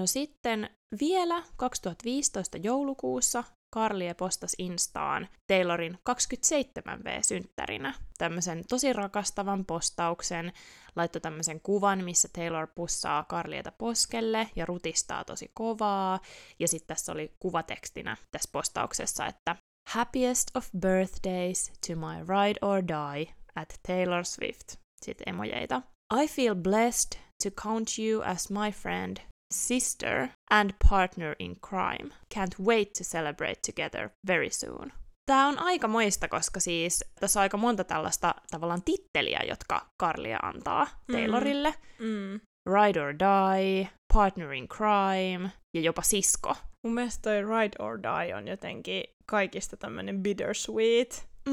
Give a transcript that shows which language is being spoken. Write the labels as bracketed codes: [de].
[fi] No sitten vielä 2015 joulukuussa Carlye postasi Instaan Taylorin 27V-synttärinä tämmöisen tosi rakastavan postauksen, laittoi tämmöisen kuvan, missä Taylor pussaa Carlyetä poskelle ja rutistaa tosi kovaa, ja sitten tässä oli kuvatekstinä tässä postauksessa, että [en] Happiest of birthdays to my ride or die at Taylor Swift. [fi] Sitten emojeita. [en] I feel blessed to count you as my friend, sister and partner in crime. Can't wait to celebrate together very soon. [fi] Tää on aika moista, koska siis tässä on aika monta tällaista tavallaan titteliä, jotka Carly antaa Taylorille. [en] Ride or die, partner in crime [fi] ja jopa sisko. Mun mielestä toi ride or die on jotenkin kaikista tämmönen bittersweet.